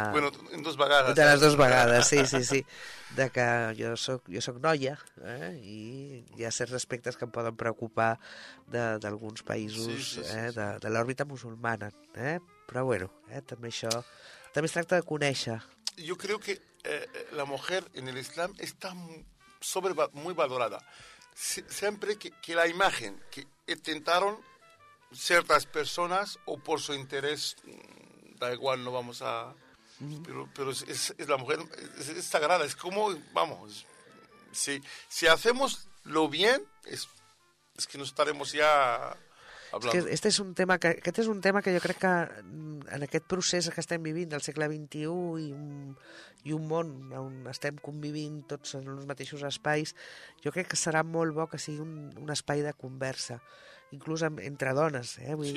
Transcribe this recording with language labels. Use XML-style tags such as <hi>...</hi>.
<ca>bueno, en dues vegades. De les dues vegades, sí, sí, sí. De que jo soc noia, eh? I hi ha certs aspectes que em poden preocupar d'alguns països sí, sí, sí, de l'òrbita musulmana. Però bueno, també això... També es tracta de conèixer.</ca> <es>Yo creo que la mujer en el Islam está muy valorada. Siempre que la imagen que intentaron ciertas personas o por su interés, da igual, no vamos a... Mm-hmm. Pero es la mujer es sagrada. Es como, vamos, si hacemos lo bien, es que nos estaremos ya...</es> <ca>És que aquest és un tema que jo crec que en aquest procés que estem vivint del segle XXI i un món on estem convivint tots en els mateixos espais, jo crec que serà molt bo que sigui un espai de conversa, inclús entre dones, vull</ca>